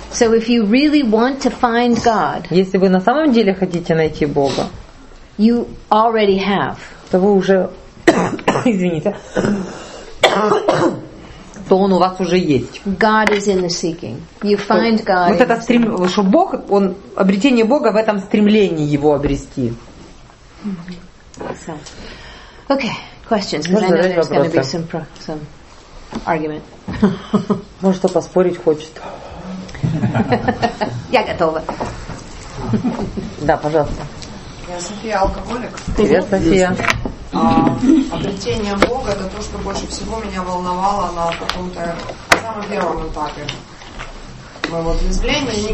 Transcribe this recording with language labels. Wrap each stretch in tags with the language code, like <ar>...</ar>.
<en>So if you really want to find God,</en> <ru>если вы на самом деле хотите найти Бога,</ru> <en>you already have.</en> <ru>То вы уже, извините, то он у вас уже есть.</ru> <en>God is in the seeking. You find God.</en> <ru>Вот это стремление, что Бог, он обретение Бога в этом стремлении его обрести.</ru> <en>So. Okay, questions. Because I know there's going to be some argument.</en> <ru>Может, кто поспорить хочет? Я готова. Да, пожалуйста. Я София, алкоголик. Привет, София. Обретение Бога — это то, что больше всего меня волновало на каком-то самом первом этапе моего взросления.</ru>